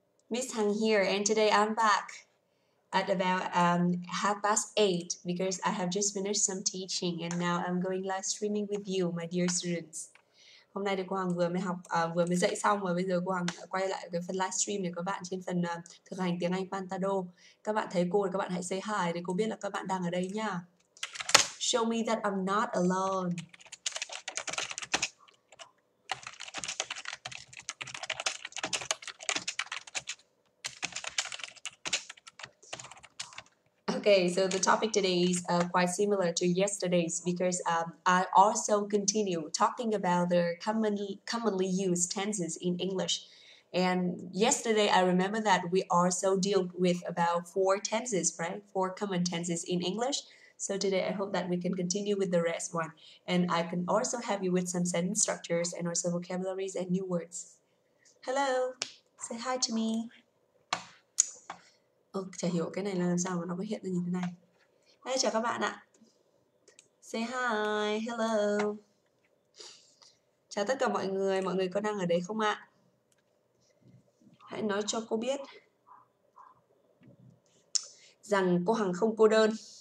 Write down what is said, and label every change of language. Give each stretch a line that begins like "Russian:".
English: Miss Hằng here, and today I'm back at about half past eight because I have just finished some teaching and now I'm going live streaming with you, my dear students.
Vietnamese: Hôm nay thì cô Hằng vừa mới học vừa mới dạy xong và bây giờ cô Hằng quay lại cái phần livestream để các bạn trên phần thực hành tiếng Anh Pantado. Các bạn thấy cô thì các bạn hãy
English: say hi
Vietnamese: để cô biết là các bạn đang ở đây nha.
English: Show me that I'm not alone. Okay, so the topic today is quite similar to yesterday's because I also continue talking about the commonly used tenses in English. And yesterday, I remember that we also dealt with about four tenses, right? Four common tenses in English. So today, I hope that we can continue with the rest one. And I can also help you with some sentence structures and also vocabularies and new words. Hello, say hi to me.
Vietnamese: Ừ, chả hiểu cái này là làm sao mà nó có hiện ra như thế này. Hey, chào các bạn ạ.
English: Say hi, hello.
Vietnamese: Chào tất cả mọi người có đang ở đấy không ạ? Hãy nói cho cô biết rằng cô Hằng không cô đơn.